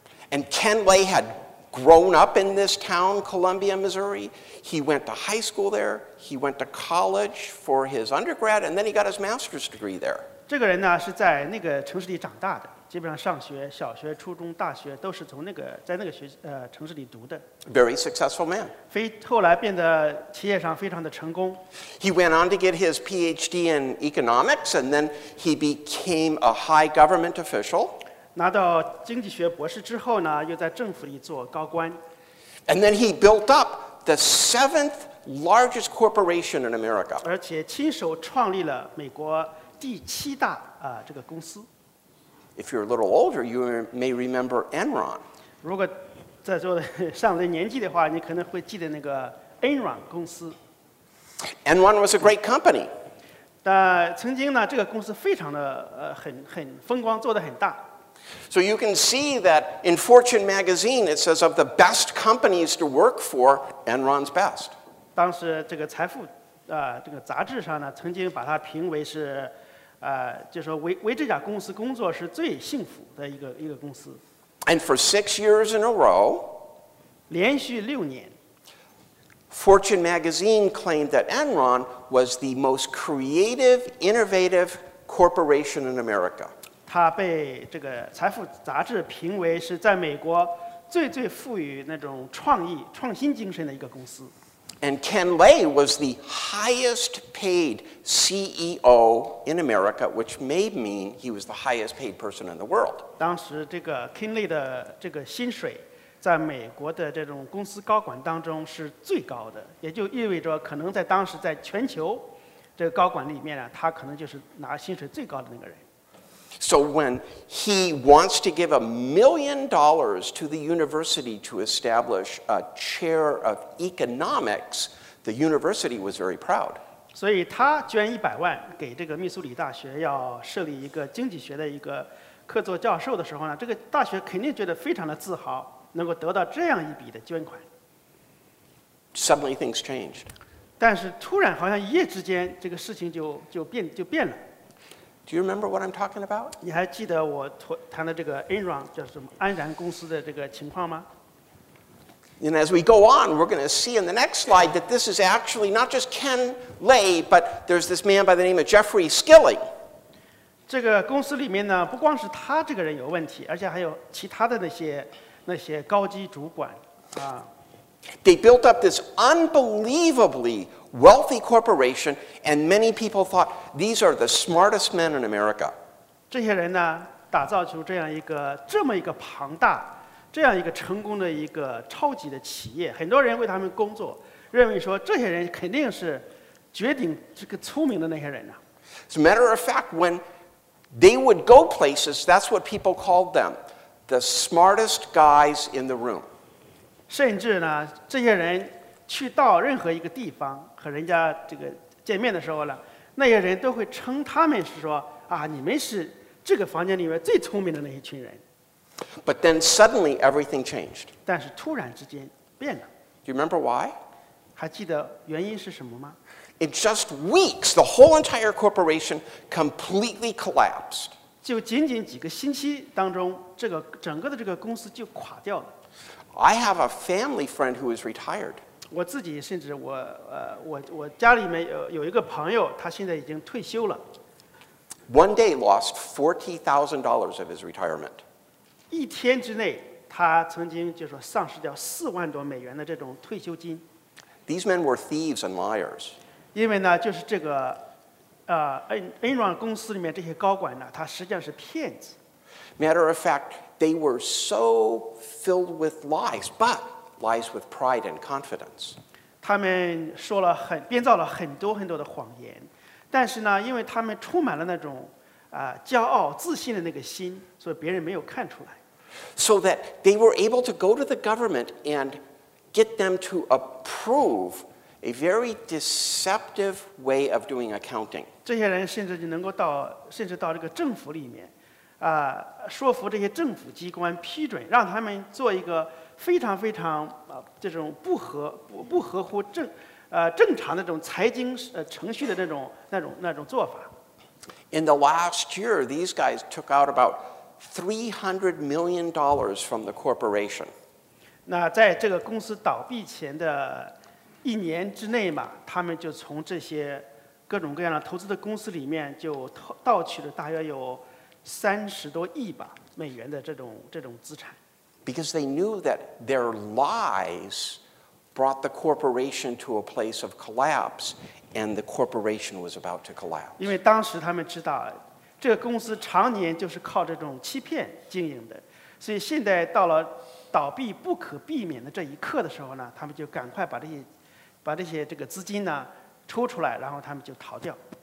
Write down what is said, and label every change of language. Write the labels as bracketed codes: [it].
[en] And Ken Lay had grown up in this town, Columbia, Missouri. He went to high school there. He went to college for his undergrad, and then he got his master's degree there. [zh] 这个人呢是在那个城市里长大的，基本上上学，小学、初中、大学都是从那个在那个学城市里读的。 [en] Very successful man. [zh] 后来变得企业上非常的成功。 [en] He went on to get his PhD in economics, and then he became a high government official. [zh] 拿到经济学博士之后呢，又在政府里做高官。 [en] And then he built up the seventh largest corporation in America. [zh] 而且亲手创立了美国第七大这个公司。 [en] If you're a little older, you may remember Enron. [zh] 如果在座的上了年纪的话，你可能会记得那个 Enron 公司。 [en] Enron was a great company. [zh] 但曾经呢，这个公司非常的很风光，做得很大。 [en] So you can see that in Fortune magazine, it says of the best companies to work for, Enron's best. [zh] 当时这个财富，这个杂志上呢，曾经把它评为是，就说为这家公司工作是最幸福的一个公司。 [en] And for 6 years in a row, [zh] 连续六年 [en] ，Fortune magazine claimed that Enron was the most creative, innovative corporation in America. [zh] 他被这个财富杂志评为是在美国最最富于那种创意创新精神的一个公司。 [en] And Ken Lay was the highest paid CEO in America, which may mean he was the highest paid person in the world. [zh] 当时这个 Ken Lay 的这个薪水在美国的这种公司高管当中是最高的，也就意味着可能在当时在全球这个高管里面呢，他可能就是拿薪水最高的那个人。 [en] So when he wants to give $1 million to the university to establish a chair of economics, the university was very proud. [zh] 所以他捐100万给这个密苏里大学要设立一个经济学的一个客座教授的时候呢，这个大学肯定觉得非常的自豪，能够得到这样一笔的捐款。 [en] Suddenly things changed. [zh] 但是突然好像一夜之间，这个事情就变了。 [en] Do you remember what I'm talking about? [zh] 你还记得我谈的这个 Enron 叫什么安然公司的这个情况吗？ [en] And as we go on, we're going to see in the next slide that this is actually not just Ken Lay, but there's this man by the name of Jeffrey Skilling. [zh] 这个公司里面呢，不光是他这个人有问题，而且还有其他的那些高级主管啊。 [en] They built up this unbelievably wealthy corporation, and many people thought these are the smartest men in America. [zh] 这些人呢，打造出这么一个庞大、这样一个成功的一个超级的企业，很多人为他们工作，认为说这些人肯定是绝顶这个聪明的那些人呢。 [en] As a matter of fact, when they would go places, that's what people called them, the smartest guys in the room. [zh] 甚至呢，这些人去到任何一个地方和人家这个见面的时候呢，那些人都会称他们是说啊，你们是这个房间里面最聪明的那一群人。 [en] But then suddenly everything changed. [zh] 但是突然之间变了。 [en] Do you remember why? [zh] 还记得原因是什么吗 [en] In just weeks, the whole entire corporation completely collapsed. [zh] 就仅仅几个星期当中，这个整个的这个公司就垮掉了。 [en] I have a family friend who is retired. [zh] 我自己甚至我我家里面有一个朋友，他现在已经退休了。 [en] One day lost $40,000 of his retirement. [zh] 一天之内，他曾经就是说丧失掉四万多美元的这种退休金。 [en] These men were thieves and liars. [zh] 因为呢，就是这个，Enron 公司里面这些高管呢，他实际上是骗子。 [en] Matter of fact, they were so filled with lies, but lies with pride and confidence. [zh] 他们说了很编造了很多很多的谎言。但是呢，因为他们充满了那种骄傲自信的那个心，所以别人没有看出来。 [en] So that they were able to go to the government and get them to approve a very deceptive way of doing accounting. [zh] 这些人甚至就能够到，甚至到这个政府里面，说服这些政府机关批准，让他们做一个非常非常这种不合乎正常的这种财经程序的那种做法。 [en] In the last year, these guys took out about $300 million from the corporation. [zh] 那在这个公司倒闭前的一年之内嘛，他们就从这些各种各样的投资的公司里面就盗取了大约有30多亿吧美元的这种资产。 [en] Because they knew that their lies. Brought the corporation to a place of collapse, and the corporation was about to collapse. [zh] 因为当时他们知道，这个公司常年就是靠这种欺骗经营的，所以现在到了倒闭不可避免的这一刻的时候呢，他们就赶快把这些这个资金呢抽出来，然后他们就逃掉。